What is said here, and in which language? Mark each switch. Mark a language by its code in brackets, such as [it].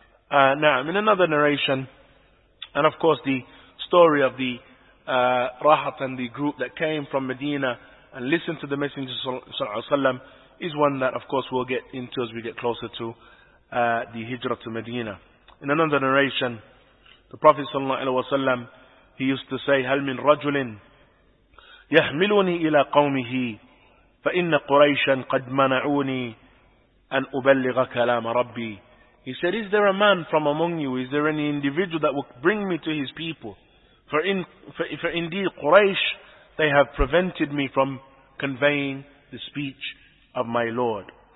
[en] Now, in another narration, and of course the story of the Rahat and the group that came from Medina and listened to the Messenger, sallallahu alayhi wasalam, is one that of course we'll get into as we get closer to the Hijrah to Medina. In another narration, the Prophet sallallahu alayhi wasallam, he used to say, [ar] هَلْ مِنْ رَجُلٍ يَحْمِلُونِي إِلَىٰ قَوْمِهِ فَإِنَّ قُرَيْشًا قَدْ مَنَعُونِي أَنْ أُبَلِّغَ كَلَامَ رَبِّي. [en] He said, is there a man from among you? Is there any individual that will bring me to his people? For indeed Quraysh, they have prevented me from conveying the speech of my Lord.